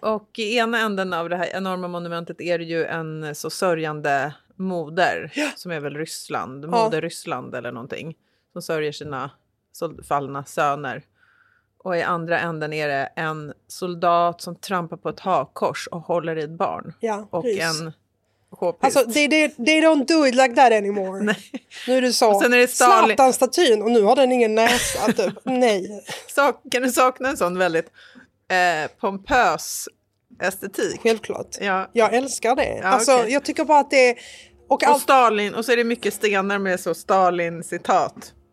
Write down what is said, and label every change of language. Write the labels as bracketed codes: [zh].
[sv] Och i ena änden av det här enorma monumentet är det ju en så sörjande... moder, ja. Som är väl Ryssland, moder ja. Ryssland eller någonting, som sörjer sina fallna söner. Och i andra änden är det en soldat som trampar på ett hakkors och håller i ett barn. Ja, och precis. En HP. Alltså, [en] they don't do it like that anymore. [sv] Nej. Nu är det så. Och sen är det Zlatan-statyn och nu har den ingen näsa. Typ. Nej. Kan du sakna en sån väldigt pompös... estetik. Självklart. Ja. Jag älskar det. Ja, alltså, okay. Jag tycker bara att det är... Och Stalin, och så är det mycket stenar med så Stalin-citat.